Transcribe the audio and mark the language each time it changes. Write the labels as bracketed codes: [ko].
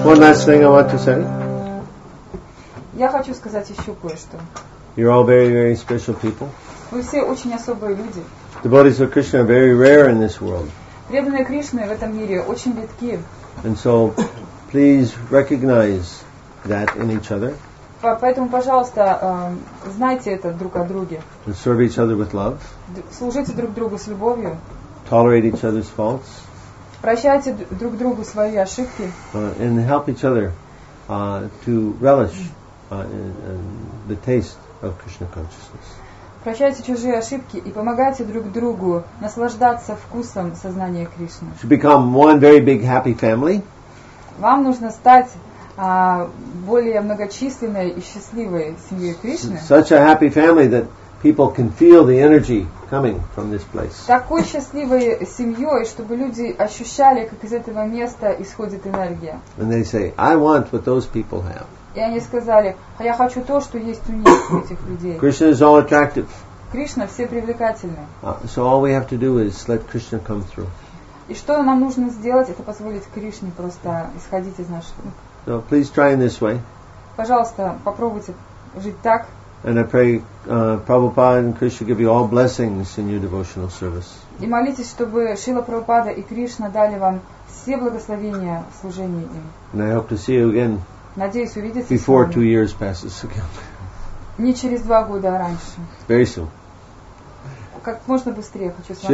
[ru] Я хочу сказать еще кое-что. [en] You're all very, very special people. [ru] Вы все очень особые люди. [en] Devotees of Krishna are very rare in this world. [ru] Преданные Кришны в этом мире очень редки. [en] And so, please recognize that in each other. [ru] Поэтому, пожалуйста, знайте это друг о друге. [en] And serve each other with love. [ru] Служите друг другу с любовью. [en] Tolerate each other's faults. [ru] Прощайте друг другу свои ошибки. [en] And help each other to relish the taste of Krishna consciousness. [ru] Прощайте чужие ошибки и помогайте друг другу наслаждаться вкусом сознания Кришны. [en] To become one very big happy family. [ru] Вам нужно стать более многочисленной и счастливой семьей Кришны. [en] Such a happy family that people can feel the energy coming from this place. [ru] Такой счастливой семьей, чтобы люди ощущали, как из этого места исходит энергия. [en] And they say, I want what those people have. [ru] И они сказали, а я хочу то, что есть у них, у этих людей. [en] Krishna is all attractive. [ru] Кришна все привлекательны. [en] So all we have to do is let Krishna come through. [ru] И что нам нужно сделать, это позволить Кришне просто исходить из наших. [en] So please try in this way. [ru] Пожалуйста, попробуйте жить так. [en] And I pray Prabhupada and Krishna give you all blessings in your devotional service. [ru] И молитесь, чтобы Шрила Прабхупада и Кришна дали вам все благословения в служении им. [en] And I hope to see you again. [ru] Надеюсь увидеться с вами. [en] Before 2 years passes again. [ru] Не через 2 года, а раньше. [en] Very soon. [ru] Как можно быстрее, хочу с вами.